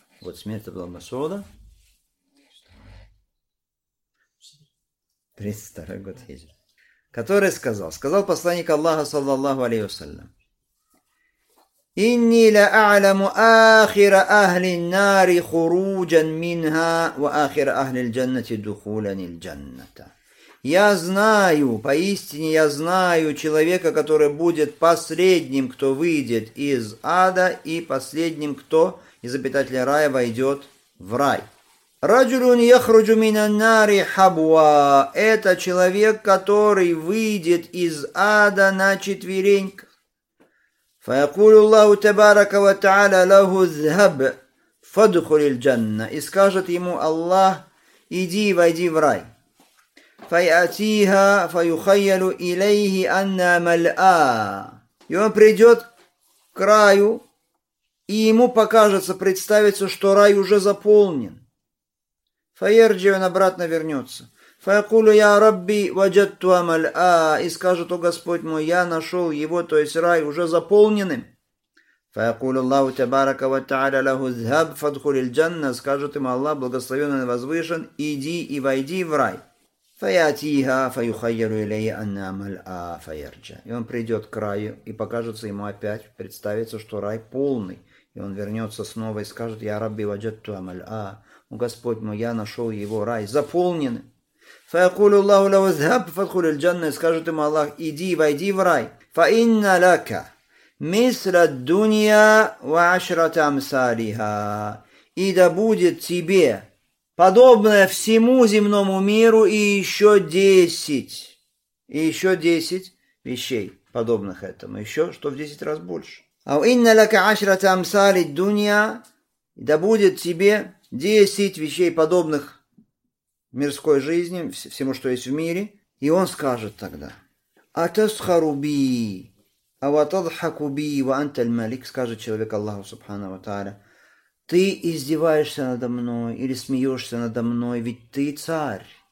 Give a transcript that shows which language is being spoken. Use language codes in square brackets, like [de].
[ru] Вот смерть Абдулла ибн Масуда. 32-й год хиджры. Который сказал? Сказал посланник Аллаха, [ar] саллаллаху алейхи вассалям. إني لأعلم آخر أهل النار خروجا منها وآخر أهل الجنة دخولا الجنة. [ru] Я знаю, поистине я знаю человека, который будет последним, кто выйдет из ада, и последним, кто из обитателей рая войдет в рай. [ar] رجل يخرج من النار حبوا. [ru] Это человек, который выйдет из ада на четвереньках. [ar] فيقول الله تبارك وتعالى له اذهب فادخل الجنة. [ru] И скажет ему Аллах, иди, войди в рай. [ar] فيأتيها فيخيل إليه أن ملآ. [ru] И он придет к раю, и ему покажется, представится, что рай уже заполнен. [ar] فيرجع, [ru] он обратно вернется. [ar] فيقول يا ربي وجدت ملآ. [ru] И скажет: о Господь мой, я нашел его, то есть рай, уже заполненным. [ar] فيقول الله تبارك وتعالى له اذهب فادخل الجنة. [ru] Скажет ему Аллах, благословенный и возвышен, иди и войди в рай. [ar] فيأتيها فيخيل إليه أنها ملآ فيرجع. [ru] И он придет к раю, и покажется ему опять, представится, что рай полный, и он вернется снова и скажет: я [ar] ربي وجدت ملآ, [ru] о Господь мой, я нашел его, рай заполненный. [ar] فيقول الله له اذهب فادخل الجنة. [ru] Скажет ему Аллах, иди, войди в рай. [ar] فإن لك مثل الدنيا وعشرة أمثالها. [ru] И да будет тебе подобное всему земному миру и еще 10. И еще 10 вещей подобных этому. Еще что в 10 раз больше. [ar] فإن لك عشرة أمثال الدنيا. [ru] И да будет тебе 10 вещей подобных мирской жизни, всему, что есть в мире. И он скажет тогда: [ar] «Атасхару би, а ватадхаку би, ва анталь малик». [ru] Скажет человек Аллаху, субхану ва тааля: Ты издеваешься надо мной или смеешься надо мной, ведь ты царь.